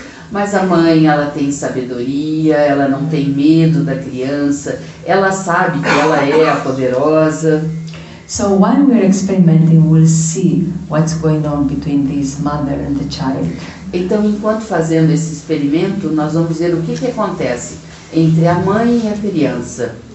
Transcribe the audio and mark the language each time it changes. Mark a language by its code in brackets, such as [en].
[pt] Mas a mãe, ela tem sabedoria, ela não tem medo da criança, ela sabe que ela é a poderosa. [en] So while we're experimenting, we'll see what's going on between this mother and the child. [pt] Então, enquanto fazendo esse experimento, nós vamos ver o que que acontece entre a mãe e a criança.